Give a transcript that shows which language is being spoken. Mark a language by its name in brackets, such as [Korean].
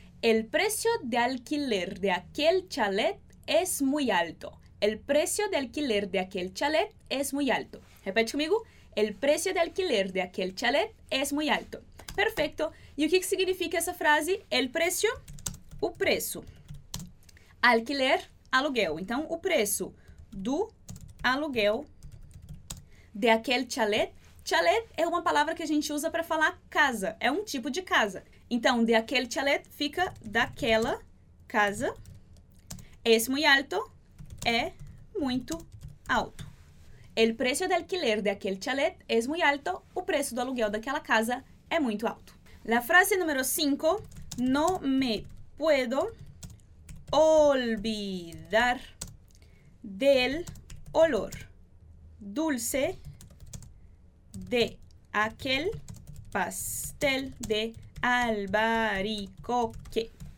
[Spanish] El precio de alquiler de aquel chalet es muy alto. El precio de alquiler de aquel chalet es muy alto. [Portuguese] Repete comigo. [Spanish] El precio de alquiler de aquel chalet es muy alto. Perfecto. [Portuguese] E o que significa essa frase? [Spanish] El precio, [Portuguese] o preço. Alquiler, aluguel. Então, o preço do aluguel [Spanish] de aquel chalet. [Portuguese] Chalet é uma palavra que a gente usa para falar casa. É um tipo de casa. Então, [Spanish] de aquel chalet [Portuguese] fica daquela casa. [Spanish] Es muy alto. [Portuguese] É muito alto. [Spanish] El precio de alquiler de aquel chalet es muy alto. [Portuguese] O preço do aluguel daquela casa é muito alto. [Spanish] La frase número 5. No me puedo olvidar del olor dulce de aquel pastel de albaricoque.